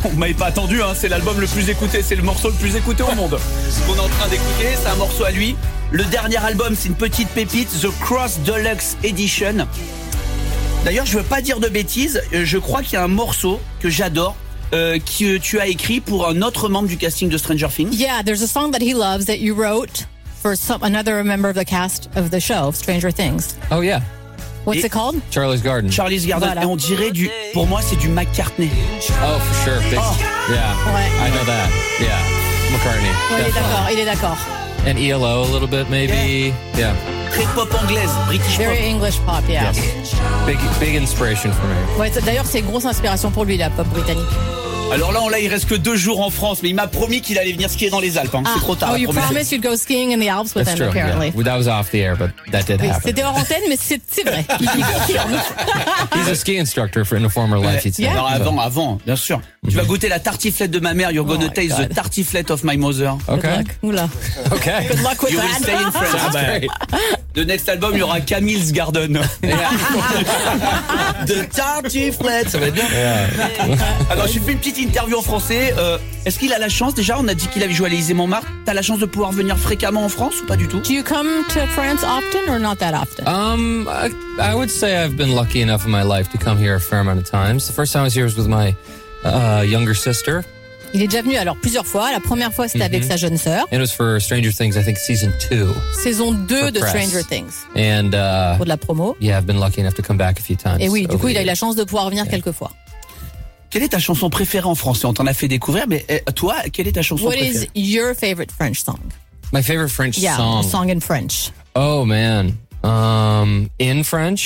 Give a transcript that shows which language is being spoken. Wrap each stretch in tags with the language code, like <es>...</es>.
<fr>vous m'avez pas attendu, hein, c'est l'album le plus écouté, c'est le morceau le plus écouté au monde. Ce qu'on est en train d'écouter, c'est un morceau à lui. Le dernier album, c'est une petite pépite, The Cross Deluxe Edition. D'ailleurs, je veux pas dire de bêtises, je crois qu'il y a un morceau que j'adore. Que tu as écrit pour un autre membre du casting de Stranger Things.</fr> <en>Yeah, there's a song that he loves that you wrote for some, another member of the cast of the show, Stranger Things. Oh yeah. What's it called? Charlie's Garden.</en> <fr>Charlie's Garden. Voilà. Et on dirait du... Pour moi, c'est du McCartney.</fr> <en>Oh, for sure. Oh. Yeah,</en> <fr>ouais.</fr> <en>I know that. Yeah, McCartney.</en> <fr>Ouais, il est d'accord.</fr> <en>And ELO a little bit, maybe. Yeah. Yeah.</en> <fr>Très pop anglaise, British</fr> <en>Very pop. Very English pop, yeah. Yes. Big inspiration for me.</en> <fr>Ouais, d'ailleurs, c'est une grosse inspiration pour lui, la pop britannique. Alors là, il reste que deux jours en France, mais il m'a promis qu'il allait venir skier dans les Alpes. Hein. Ah, c'est trop tard.</fr> <en>Oh, you promised you'd go skiing in the Alps with That's him, apparently. Yeah. That was off the air, but that did happen.</en> <fr>C'était hors antenne, mais c'est vrai.</fr> <en>He's a ski instructor for in a former life, he'd say.</en> <fr>Yeah. Non, avant, bien sûr. Mm-hmm. Tu vas goûter la tartiflette de ma mère.</fr> <en>You're gonna taste the tartiflette of my mother. Okay. Good luck. Oula. Okay. Good luck with you that. You will stay in France. Sounds great. The next album,</en> <fr>il y aura Camille's Garden.</fr> <en>The tartiflette,</en> <fr>ça va être bien.</fr> <en>Yeah.</en> <fr>Alors, je fais une petite interview en français. Est-ce qu'il a la chance, déjà, on a dit qu'il avait joué à l'Élysée Montmartre, t'as la chance de pouvoir venir fréquemment en France ou pas du tout?</fr> <en>Do you come to France often or not that often? I would say I've been lucky enough in my life to come here a fair amount of times. The first time I was here was with my younger sister.</en> <fr>Il est déjà venu alors plusieurs fois. La première fois, c'était avec sa jeune sœur.</fr> <en>It was for Stranger Things, I think season 2.</en> <fr>Saison 2 de Stranger Things.</fr> <en>And</en> <fr>pour de la promo.</fr> <en>Yeah, I've been lucky enough to come back a few times.</en> <fr>Et oui, du coup, il a eu la chance de pouvoir venir quelques fois. Quelle est ta chanson préférée en français? On t'en a fait découvrir, mais toi, quelle est ta chanson</fr> <en>What</en> <fr>préférée?</fr> <en>What is your favorite French song? My favorite French song. Yeah, song in French. Oh man. In French?</en>